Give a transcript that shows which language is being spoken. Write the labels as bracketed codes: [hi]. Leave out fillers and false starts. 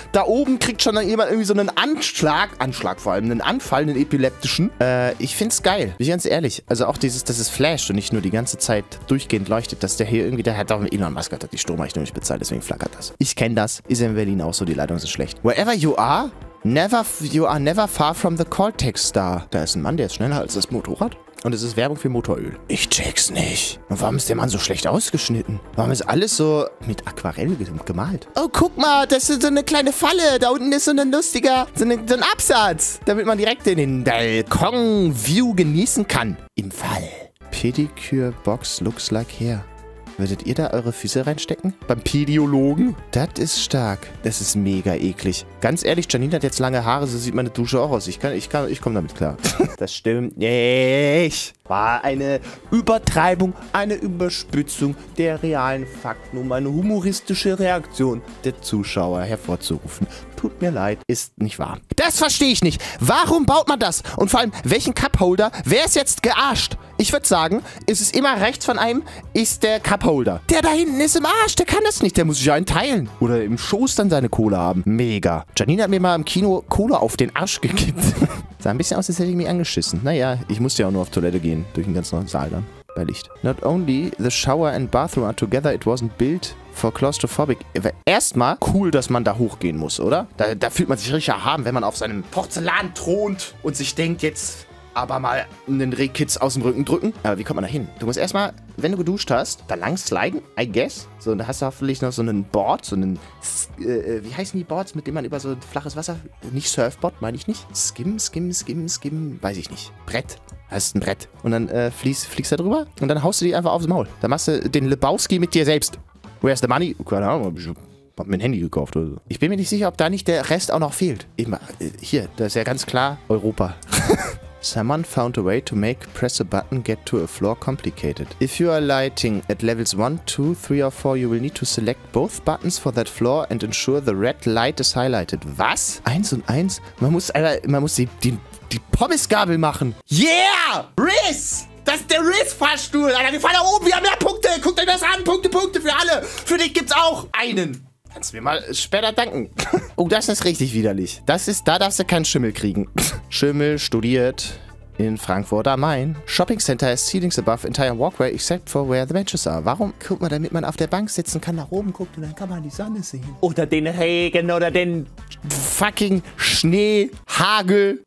[de] Da oben kriegt schon dann jemand irgendwie so einen Anschlag vor allem, einen Anfall, einen epileptischen. Ich find's geil, bin ich ganz ehrlich. Also auch dieses, dass es flasht und nicht nur die ganze Zeit durchgehend leuchtet, dass der hier irgendwie, der hat auch einen Elon Musk, hat die Stromrechnung nicht bezahlt, deswegen flackert das. Ich kenn das, ist in Berlin auch so, die Leitungen sind schlecht. [en] Wherever you are, you are never far from the Caltech Star. [de] Da ist ein Mann, der ist schneller als das Motorrad. Und es ist Werbung für Motoröl. Ich check's nicht. Und warum ist der Mann so schlecht ausgeschnitten? Warum ist alles so mit Aquarell gemalt? Oh, guck mal, das ist so eine kleine Falle. Da unten ist so ein lustiger, so ein Absatz. Damit man direkt den Balkon-View genießen kann. Im Fall. [en] Pedicure-Box looks like hair. [de] Würdet ihr da eure Füße reinstecken? Beim Pediologen? Das ist stark. Das ist mega eklig. Ganz ehrlich, Janine hat jetzt lange Haare, so sieht meine Dusche auch aus. Ich komme damit klar. Das stimmt nicht. war eine Übertreibung, eine Überspitzung der realen Fakten, um eine humoristische Reaktion der Zuschauer hervorzurufen. Tut mir leid, ist nicht wahr. Das verstehe ich nicht. Warum baut man das? Und vor allem, welchen Cupholder? Wer ist jetzt gearscht? Ich würde sagen, ist es immer rechts von einem, ist der Cupholder. Der da hinten ist im Arsch, der kann das nicht. Der muss sich einen teilen. Oder im Schoß dann seine Cola haben. Mega. Janine hat mir mal im Kino Cola auf den Arsch gekippt. Sah ein bisschen aus, als hätte ich mich angeschissen. Naja, ich musste ja auch nur auf Toilette gehen. Durch den ganzen Saal dann. Bei Licht. [en] Not only the shower and bathroom are together, it wasn't built for claustrophobic. [de] Erstmal cool, dass man da hochgehen muss, oder? Da fühlt man sich richtig erhaben, wenn man auf seinem Porzellan thront und sich denkt, jetzt aber mal einen Rehkitz aus dem Rücken drücken. Aber wie kommt man da hin? Du musst erstmal, wenn du geduscht hast, da lang sliden, [en] I guess. [de] So, und da hast du hoffentlich noch so einen Board, so einen, wie heißen die Boards, mit dem man über so ein flaches Wasser, nicht Surfboard, meine ich nicht. Skim, weiß ich nicht. Brett. Das ist ein Brett. Und dann fliegst du da drüber und dann haust du die einfach aufs Maul. Dann machst du den Lebowski mit dir selbst. [en] Where's the money? [de] Keine Ahnung, hab ich mir ein Handy gekauft oder so. Ich bin mir nicht sicher, ob da nicht der Rest auch noch fehlt. Eben, hier, das ist ja ganz klar Europa. [en] Someone found a way to make press a button get to a floor complicated. If you are lighting at levels 1, 2, 3 or 4, you will need to select both buttons for that floor and ensure the red light is highlighted. [de] Was? 1 und 1? Man muss die Pommesgabel machen. [en] Yeah! Riz! [de] Das ist der Riz-Fahrstuhl. Alter, wir fahren da oben. Wir haben mehr Punkte. Guckt euch das an. Punkte für alle. Für dich gibt's auch einen. Kannst du mir mal später danken. Oh, das ist richtig widerlich. Da darfst du keinen Schimmel kriegen. Schimmel studiert in Frankfurt am Main. [en] Shopping Center has ceilings above entire walkway except for where the benches are. [de] Warum? Guck mal, damit man auf der Bank sitzen kann, nach oben guckt und dann kann man die Sonne sehen. Oder den Regen oder den fucking Schnee, Hagel.